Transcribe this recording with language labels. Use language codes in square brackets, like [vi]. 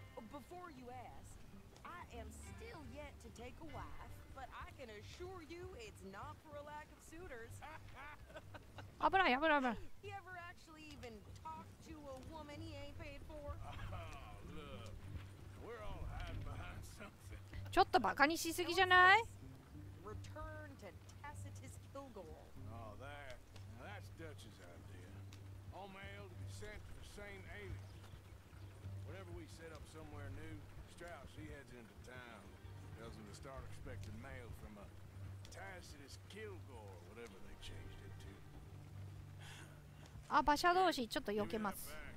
[en] Before you ask, I am still yet to take a wife, but I can assure you it's not for a lack of suitors. Abra. He ever actually even talked to a woman he ain't paid for? Look, we're all hiding behind something. [ja] ちょっとバカにしすぎじゃない？ [en] Return to Tacitus Kilgore. Oh, there. Now that's Dutch's idea. All mail to be sent to the same alias. Whatever we set up somewhere new, Strauss, he heads into town. Tells him to start expecting mail from a Tacitus Kilgore, whatever they changed it to. [ja] あ、馬車同士、ちょっと避けます。